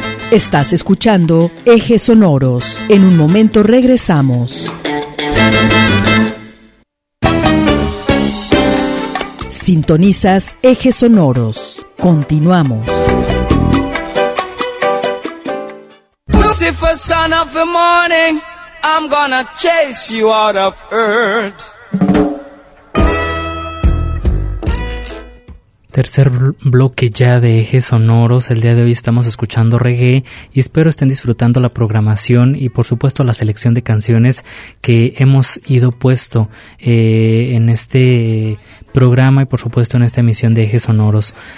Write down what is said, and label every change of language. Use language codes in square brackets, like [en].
[es] Estás escuchando Ejes Sonoros. En un momento regresamos. Sintonizas Ejes Sonoros. Continuamos. [en] Lucifer, son of the morning, I'm gonna chase you out of earth. [es] Tercer bloque ya de Ejes Sonoros. El día de hoy estamos escuchando reggae y espero estén disfrutando la programación y por supuesto la selección de canciones que hemos ido puesto en este programa y por supuesto en esta emisión de Ejes Sonoros.